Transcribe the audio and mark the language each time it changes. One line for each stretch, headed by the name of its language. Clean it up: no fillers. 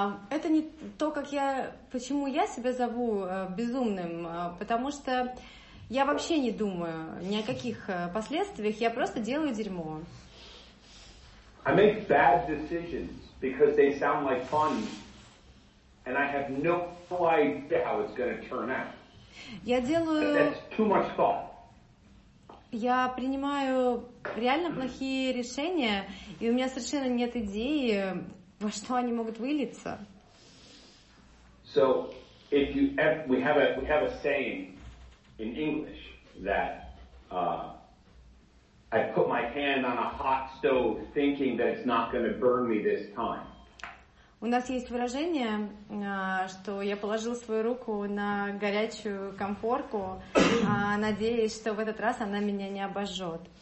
Russian: Это не то, как я, почему я себя зову безумным, потому что я вообще не думаю ни о каких последствиях, я просто делаю дерьмо.
English: I make bad decisions because they sound like fun. And I have no idea how it's going to turn out.
Russian: Я делаю...
English: That's too much thought.
Russian: Я принимаю реально плохие решения, и у меня совершенно нет идеи, во что они могут вылиться.
English: So, if you have, we have a saying in English that I put my hand on a hot stove thinking that it's not going to burn me this time.
Russian: У нас есть выражение, что я положил свою руку на горячую конфорку, надеясь, что в этот раз она меня не обожжет.